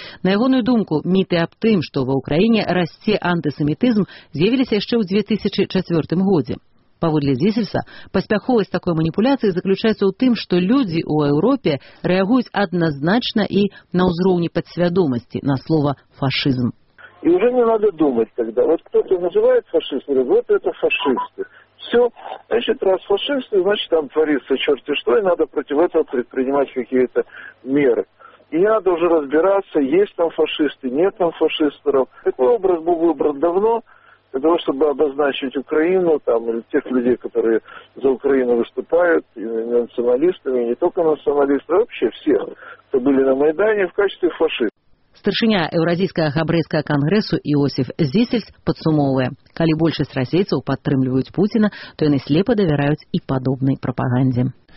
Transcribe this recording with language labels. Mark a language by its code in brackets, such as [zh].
[be] На ягоную думку, міты аб тым, што ва ўкраіне расце антысемітызм, з'явіліся яшчэ ў 2004 годзе. Паводле Зісельца, паспяховасць такой маніпуляцыі заключаецца ў тым, што людзі ў Еўропе рэагуюць адназначна і на ўзроўні падсвядомасці на слова «фашызм». [ru] И уже не надо думать тогда. Вот кто-то называет фашистом, говорит, вот это фашисты. Все, значит, раз фашисты, значит, там творится черти что, и надо против этого предпринимать какие-то меры. И не надо уже разбираться, есть там фашисты, нет там фашистов. Такой образ был выбран давно, для того, чтобы обозначить Украину, там, или тех людей, которые за Украину выступают, и националистами, и не только националистами, а вообще всех, кто были на Майдане в качестве фашистов. [be] Старшыня Еўразійскага габрэйскага кангрэсу Іосіф Зісельц падсумоўвае, калі большасць расейцаў падтрымліваюць Пуціна, то яны слепа давяраюць і падобнай прапагандзе.